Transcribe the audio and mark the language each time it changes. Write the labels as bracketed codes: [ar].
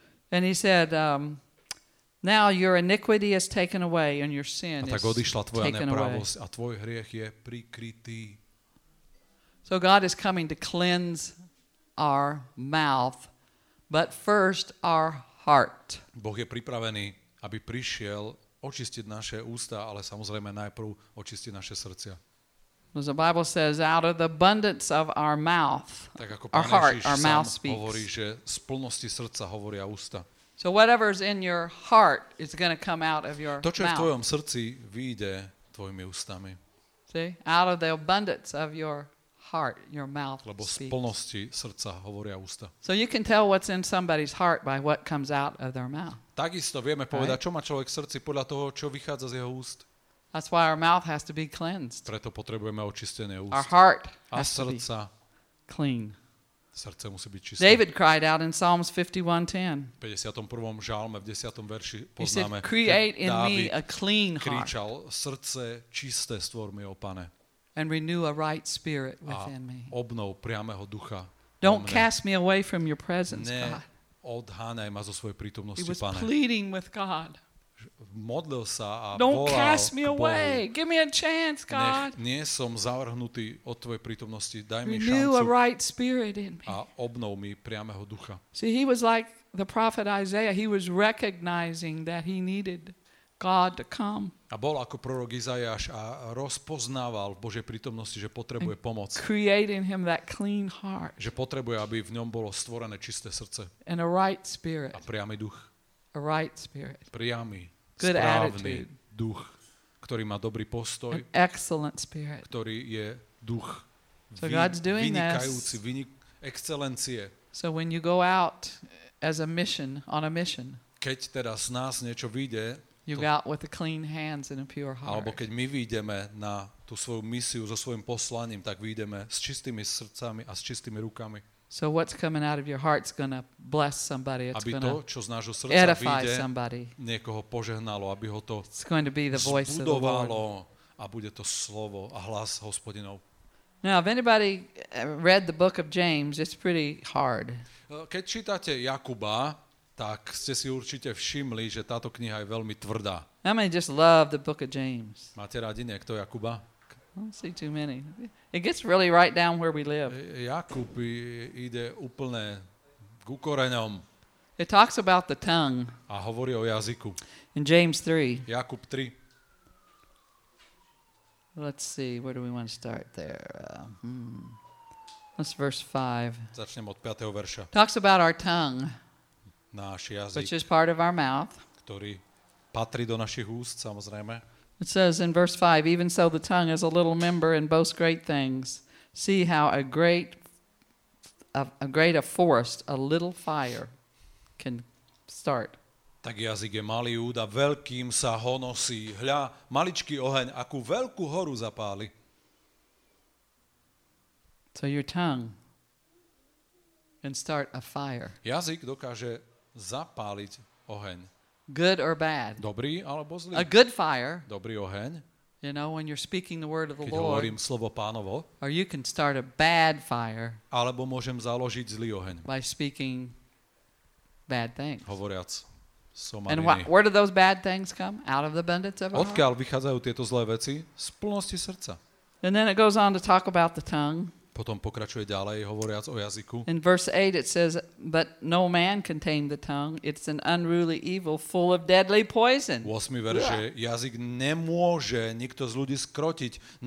[en] And he said, now your iniquity is taken away and your sin is taken away. [sk] A tak odišla tvoja nepravosť a tvoj hriech je prikrytý. [en] So God is coming to cleanse our mouth, but first our heart. [sk] Boh je pripravený, aby prišiel očistiť naše ústa, ale samozrejme najprv očistiť naše srdcia. [en] As the Bible says, out of the abundance of our mouth, [sk] tak ako [en] our heart, our mouth speaks. [sk] Hovorí, že z plnosti srdca hovoria ústa. [en] So whatever is in your heart is going to come out of your mouth. [sk] To, čo je v tvojom srdci, vyjde tvojimi ústami. [en] See? Out of the abundance of your heart, your mouth speaks. [sk] Lebo z plnosti srdca hovoria ústa. [en] So you can tell what's in somebody's heart by what comes out of their mouth. [sk] Takisto vieme povedať, čo má človek v srdci podľa toho, čo vychádza z jeho úst. [en] That's why our mouth has to be cleansed. [sk] Preto potrebujeme očistené úst. [en] Our heart has [sk] srdca [en] to be clean. [sk] Srdce musí byť čisté. [en] David cried out in Psalms 51:10. [sk] V 51. žalme v 10. verši poznáme. [en] He said, create in me a clean heart. [sk] Kričal, srdce čisté stvor mi, o Pane. [en] And renew a right spirit within me. [sk] A obnov priamého ducha. [en] Don't cast me away from your presence, God. [sk] Neodháňaj ma zo svojej prítomnosti, Pane. [en] He was pleading with God. [sk] modlil sa a [en] don't [sk] volal [en] cast me away. Give me a chance, God. [sk] Nech nie som zavrhnutý od Tvojej prítomnosti. Daj mi [en] renew [sk] šancu [en] a, right spirit in me. [sk] A obnov mi priamého ducha. [en] See, he was like the prophet Isaiah. He was recognizing that he needed God to come. [sk] A bol ako prorok Izajáš a rozpoznával v Božej prítomnosti, že potrebuje pomoc. [en] Creating him that clean heart. [sk] Že potrebuje, aby v ňom bolo stvorené čisté srdce. [en] And a right spirit. [sk] A priamy duch. [en] A right spirit. [sk] Priamy, [en] good [sk] správny [en] attitude. [sk] Duch, ktorý má dobrý postoj. [en] An excellent spirit. [sk] Ktorý je duch [en] so God's doing [sk] vynikajúci, excelencie. [en] So when you go out as a mission, on a mission. [sk] Keď teda z nás niečo vyjde, [en] you go out with the clean hands and a pure heart. [sk] Alebo keď my vyjdeme na tú svoju misiu so svojím poslaním, tak vyjdeme s čistými srdcami a s čistými rukami. [en] So what's coming out of your heart's gonna bless somebody. It's [sk] aby [en] gonna [sk] to, čo z nášho srdca vyjde, niekoho požehnalo, aby ho to zbudovalo a bude to slovo a hlas Hospodinov. [en] Now, if anybody read the book of James, it's pretty hard. [sk] Keď čítate Jakuba, tak ste si určite všimli, že táto kniha je veľmi tvrdá. [en] I mean, just love the book of James. [sk] Máte rádi niekto Jakuba? [en] I don't see too many. It gets really right down where we live. [sk] Jakub ide úplne k koreňom. [en] It talks about the tongue. [sk] A hovorí o jazyku. [en] In James 3. [sk] Jakub 3. [en] Let's see, where do we want to start there? That's verse 5. [sk] Začnem od 5. verša. [en] Talks about our tongue. [sk] Náš jazyk. [en] Which is part of our mouth. [sk] Ktorý patrí do našich úst, samozrejme. [en] It says in verse 5, even so the tongue is a little member and boasts great things. See how a great forest, a little fire can start. [sk] Tak jazyk je malý úd a veľkým sa honosí. Hľa, maličký oheň, akú veľkú horu zapáli. [en] So your tongue can start a fire. [sk] Jazyk dokáže zapáliť oheň. [en] Good or bad? [sk] Dobrý alebo zlý? [en] A good fire. [sk] Dobrý oheň. [en] You know when you're speaking the word of the [sk] keď [en] Lord. [sk] Keď hovorím slovo Pánovo. [en] Or you can start a bad fire. [sk] Alebo môžem založiť zlý oheň. [en] By speaking bad things. [sk] Hovoriac somariny. [en] And where do those bad things come? Out of the abundance of our heart. [sk] Odkiaľ vychádzajú tieto zlé veci? Z plnosti srdca. [en] And then it goes on to talk about the tongue. [sk] Potom pokračuje ďalej, hovoriac o jazyku. [en] In verse 8 it says, but no man can tame the tongue. It's an unruly evil full of deadly poison. [sk] V 8. verše, jazyk nemôže nikto z ľudí skrotiť.